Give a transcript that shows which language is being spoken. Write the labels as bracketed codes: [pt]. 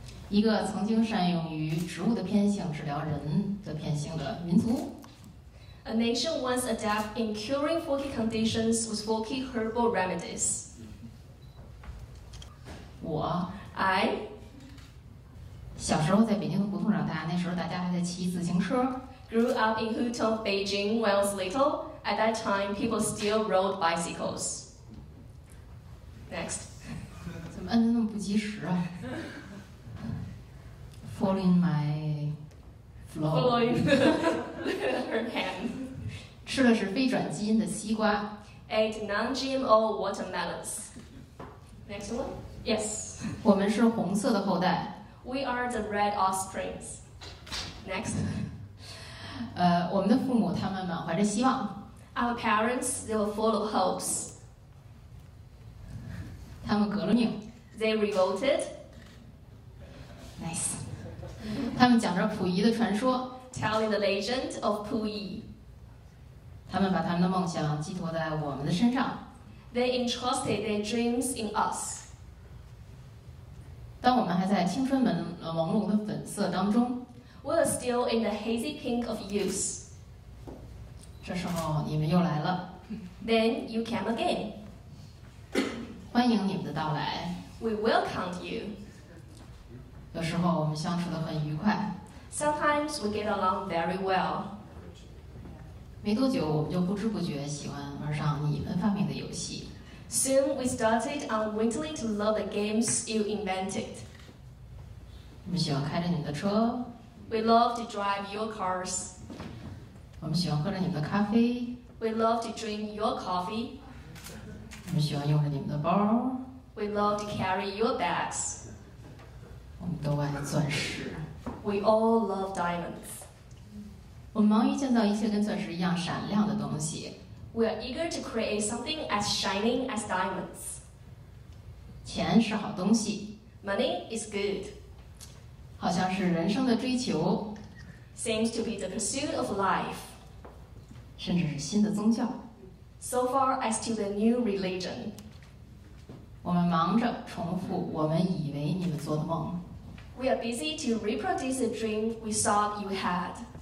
[zh] 一个曾经善用于植物的偏性治疗人的偏性的民族. [en] A nation once adept in curing folky conditions with folky herbal remedies. [zh] 我 [en] I [zh] 小时候在北京的胡同长大 那时候大家还在骑自行车 [en] Grew up in Hutong, Beijing when I was little. At that time, people still rode bicycles. Next. [zh] 怎么按得那么不及时啊 [en] Following my flow. Following her hand. [zh] 吃的是非转基因的西瓜 [en] Ate non-GMO watermelons. Next one. Yes. [zh] 我们是红色的后代. [en] We are the red offsprings. Next. [zh] 我们的父母他们满怀着希望. [en] Our parents, they were full of hopes. [zh] 他们革了命. [en] They revolted. [zh] Nice. 他们讲着溥仪的传说. [en] Telling the legend of Puyi. [zh] 他们把他们的梦想寄托在我们的身上. [en] They entrusted their dreams in us. [zh] 当我们还在青春朦胧的粉色当中 [en] We are still in the hazy pink of youth [zh] 这时候你们又来了 [en] Then you came again [zh] 欢迎你们的到来 [en] We welcomed you [zh] 有时候我们相处得很愉快 [en] Sometimes we get along very well [zh] 没多久我们就不知不觉喜欢玩上你们发明的游戏 [en] Soon we started unwittingly to love the games you invented [zh] 我们喜欢开着你们的车 [en] We love to drive your cars [zh] 我们喜欢喝着你们的咖啡 [en] We love to drink your coffee [zh] 我们喜欢用着你们的包 [en] We love to carry your bags [zh] 我们都爱钻石 [en] We all love diamonds [zh] 我们忙于建造一些跟钻石一样闪亮的东西 [en] We are eager to create something as shining as diamonds [zh] 钱是好东西 [en] Money is good [zh] 好像是人生的追求 [en] Seems to be the pursuit of life [zh] 甚至是新的宗教 [en] So far as to the new religion [zh] 我们忙着重复我们以为你们做的梦 [en] We are busy to reproduce a dream we thought you had